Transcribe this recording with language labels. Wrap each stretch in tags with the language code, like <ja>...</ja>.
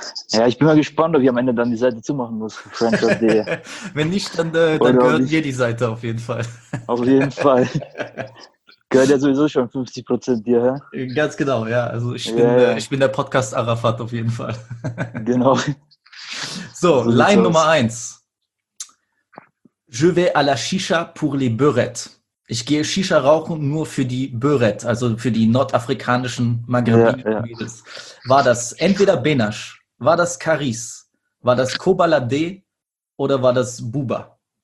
<de>Ja, ich bin mal gespannt, ob ich am Ende dann die Seite zumachen muss. Wenn nicht, dann gehört dir die Seite auf jeden Fall. Auf jeden Fall. Gehört ja sowieso schon 50% dir, hä? Ganz genau, ja. Also ich bin der Podcast Arafat auf jeden Fall. Genau. So, Line Nummer 1.</de> <fr>Je vais à la Chicha pour les Beurettes.</fr> <de>Ich gehe Shisha rauchen nur für die Beurettes, also für die nordafrikanischen Maghreb-Mädels. War das entweder Benash, war das Karis, war das Kobalade oder war das Buba?</de>